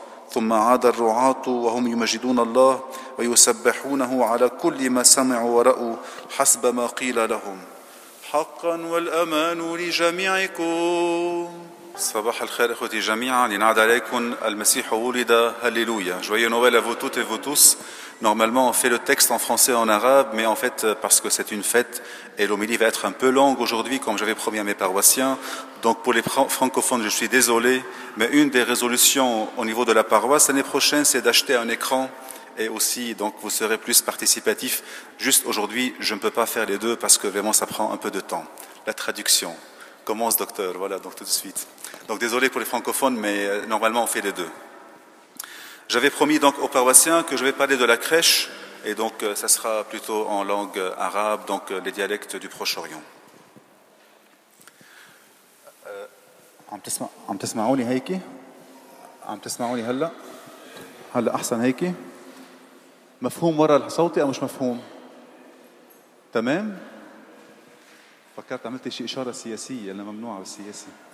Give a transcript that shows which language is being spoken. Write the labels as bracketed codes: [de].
[ar] ثم عاد الرعاة وهم يمجدون الله ويسبحونه على كل ما سمعوا ورأوا حسب ما قيل لهم. حقا والأمان لجميعكم. صباح الخير أخوتي جميعا، ينعاد عليكم المسيح ولد، هللويا. [fr] جوي نويل à vous toutes et vous tous. Normalement, on fait le texte en français et en arabe, mais en fait, parce que c'est une fête, et l'homélie va être un peu longue aujourd'hui, comme j'avais promis à mes paroissiens. Donc pour les francophones, je suis désolé, mais une des résolutions au niveau de la paroisse l'année prochaine, c'est d'acheter un écran, et aussi, donc vous serez plus participatifs. Juste aujourd'hui, je ne peux pas faire les deux, parce que vraiment, ça prend un peu de temps. La traduction commence, docteur, voilà, donc tout de suite. Donc désolé pour les francophones, mais normalement, on fait les deux. J'avais promis donc aux paroissiens que je vais parler de la crèche, et donc ça sera plutôt en langue arabe, donc les dialectes du Proche-Orient. [ar] عم تسمعوني هيك؟ عم تسمعوني هلا؟ هلا أحسن هيك؟ مفهوم ورا صوتي أو مش مفهوم؟ تمام؟ فكرت عملت شيء إشارة سياسية، لأنها ممنوعة بالسياسة.